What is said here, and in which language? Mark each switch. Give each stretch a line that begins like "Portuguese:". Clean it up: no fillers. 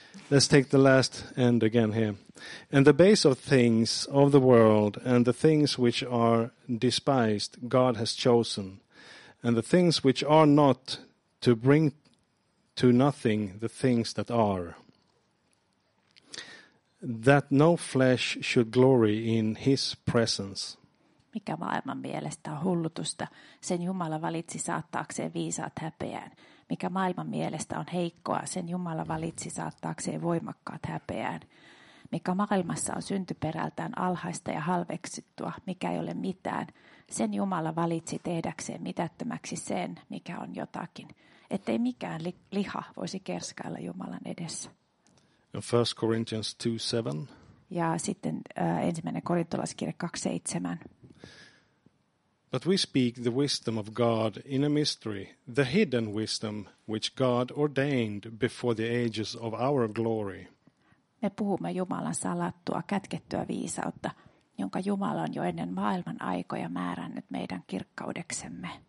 English: Let's take the last end again here. And the base of things of the world and the things which are despised God has chosen, and the things which are not to bring to nothing the things that are, that no flesh should glory in his presence.
Finnish: Mikä maailman mielestä on hullutusta, sen Jumala valitsi saattaakseen viisaat häpeään. Mikä maailman mielestä on heikkoa, sen Jumala valitsi saattaakseen voimakkaat häpeään. Mikä maailmassa on syntyperältään alhaista ja halveksittua, mikä ei ole mitään, sen Jumala valitsi tehdäkseen mitättömäksi sen, mikä on jotakin, ettei mikään liha voisi kerskailla Jumalan edessä.
English: 1 Corinthians 2:7.
Finnish: Ja sitten ensimmäinen Korintolaiskirje 2:7.
English: But we speak the wisdom of God in a mystery, the hidden wisdom which God ordained before the ages of our glory.
Finnish: Me puhumme Jumalan salattua, kätkettyä viisautta, jonka Jumala on jo ennen maailman aikoja määrännyt meidän kirkkaudeksemme.